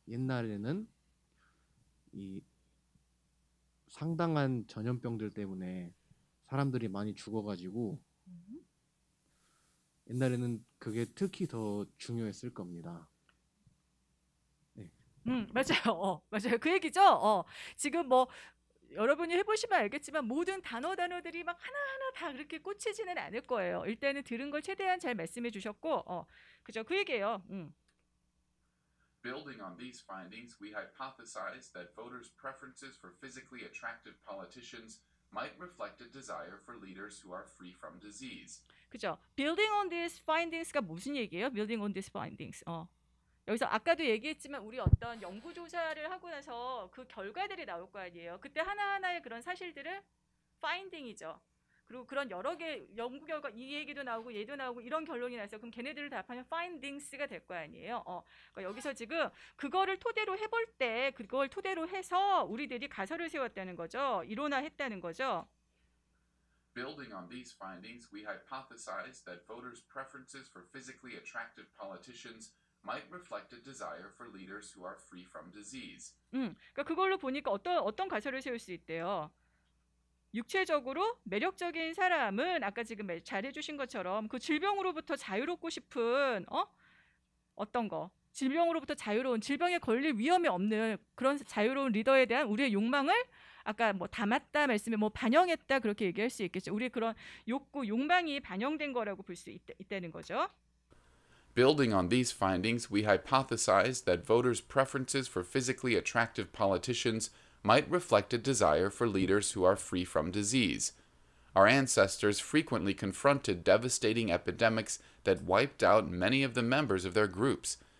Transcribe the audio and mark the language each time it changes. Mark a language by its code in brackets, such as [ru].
[ko] 옛날에는 이 상당한 전염병들 때문에 사람들이 많이 죽어가지고 옛날에는 그게 특히 더 중요했을 겁니다. 네. 맞아요. 맞아요. 그 얘기죠. 지금 뭐 여러분이 해보시면 알겠지만 모든 단어들이 막 하나하나 다 그렇게 꽂히지는 않을 거예요. 일단은 들은 걸 최대한 잘 말씀해 주셨고 그죠. 그 얘기예요. [en] Building on these findings, we hypothesize that voters' preferences for physically attractive politicians might reflect a desire for leaders who are free from disease. [ko] 그죠? [en] Building on these findings [ko] 가 무슨 얘기예요? Building on these findings. 여기서 아까도 얘기했지만 우리 어떤 연구 조사를 하고 나서 그 결과들이 나올 거 아니에요. 그때 하나하나의 그런 사실들을 finding이죠. 그리고 그런 여러 개 연구 결과 이 얘기도 나오고 얘도 나오고 이런 결론이 나서 그럼 걔네들을 답하면 findings가 될 거 아니에요. 그러니까 여기서 지금 그거를 토대로 해볼 때 그걸 토대로 해서 우리들이 가설을 세웠다는 거죠. 이론화했다는 거죠. [en] Building on these findings, we hypothesize that voters' preferences for physically attractive politicians might reflect a desire for leaders who are free from disease. [ko] 그러니까 그걸로 보니까 어떤 가설을 세울 수 있대요. 육체적으로 매력적인 사람은 아까 지금 잘해주신 것처럼 그 질병으로부터 자유롭고 싶은 어떤 거 질병으로부터 자유로운 질병에 걸릴 위험이 없는 그런 자유로운 리더에 대한 우리의 욕망을 아까 뭐 담았다 말씀에 뭐 반영했다 그렇게 얘기할 수 있겠죠. 우리 그런 욕구 욕망이 반영된 거라고 볼 수 있다는 거죠. [en] Building on these findings, we hypothesize that voters' preferences for physically attractive politicians might reflect a desire for leaders who are free from disease. Our ancestors frequently confronted devastating epidemics that wiped out many of the members of their groups.